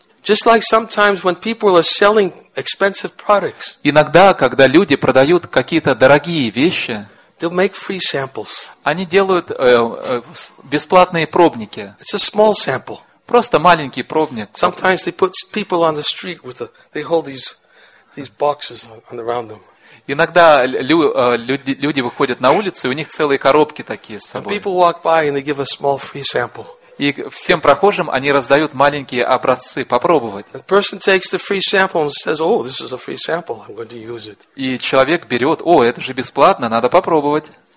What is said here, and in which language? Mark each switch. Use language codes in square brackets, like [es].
[en] Just like sometimes when people are selling expensive products. [ru] Иногда, когда люди продают какие-то дорогие вещи, [en] they'll make free samples. [ru] Они делают бесплатные пробники. [en] It's a small sample. [ru] Просто маленький пробник. [en] Sometimes they put people on the street with they hold these boxes around them. [ru] Иногда люди выходят на улицу, и у них целые коробки такие с собой. [en] And people walk by and they give a small free sample. [ru] И всем прохожим они раздают маленькие образцы попробовать. И человек берет, о, это же бесплатно, надо попробовать.